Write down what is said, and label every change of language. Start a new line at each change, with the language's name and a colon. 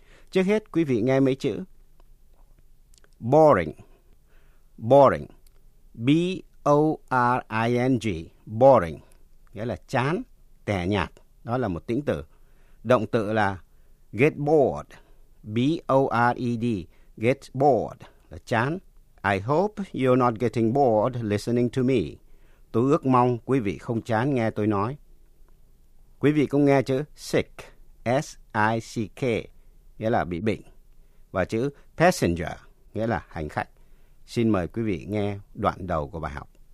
Vietnamese: Trước hết, quý vị nghe mấy chữ. Boring, boring, B-O-R-I-N-G, boring, nghĩa là chán, tẻ nhạt, đó là một tính từ. Động từ là get bored, B-O-R-E-D, get bored, là chán.
English: I hope you're not getting bored listening to me.
Vietnamese: Tôi ước mong quý vị không chán nghe tôi nói. Quý vị cũng nghe chữ sick, S-I-C-K, nghĩa là bị bệnh. Và chữ passenger, nghĩa là hành khách. Xin mời quý vị nghe đoạn đầu của bài học.